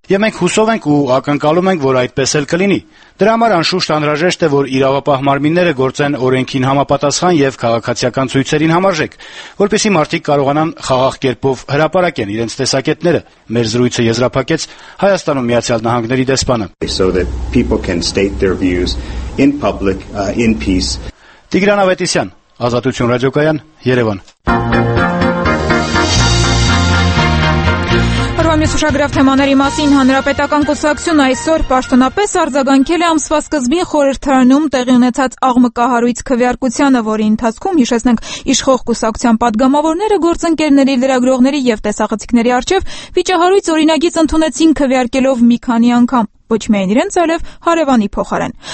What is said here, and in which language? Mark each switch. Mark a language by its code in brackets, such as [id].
[hy] Եմ ենք հուսով ենք ու ակնկալում ենք, որ այդպես էլ կլինի։ Դրա համար անշուշտ անհրաժեշտ է, որ իրավապահ մարմինները գործեն օրենքին համապատասխան և քաղաքացիական ցույցերին համարժեք, որպեսզի մարդիկ կարողանան խաղաղ կերպով հրապարակեն իրենց տեսակետները, մեր զրույցը եզրափակեց Հայաստանում Միացյալ Նահանգների դեսպանը։ [en] So that people can state their views in public in peace. [hy] Տիգրան Ավետիսյան, Ազատություն ռադիոկայան, Երևան։ Մեծ ուշագրավ թեմաների մասին հանրապետական կուսակցությունը այսօր պաշտոնապես արձագանքել է ամսվա սկզբին խորհրդարանում տեղի ունեցած աղմկահարույց քվեարկությանը, որի ընթացքում, հիշեցնենք, իշխող կուսակցության падգամավորները գործընկերների, լրագրողների և տեսախցիկների առջև վիճահարույց օրինագիծ ընդունեցին քվեարկելով մի քանի անգամ, ոչ միայն իրենց, այլև հարևանի փոխարեն։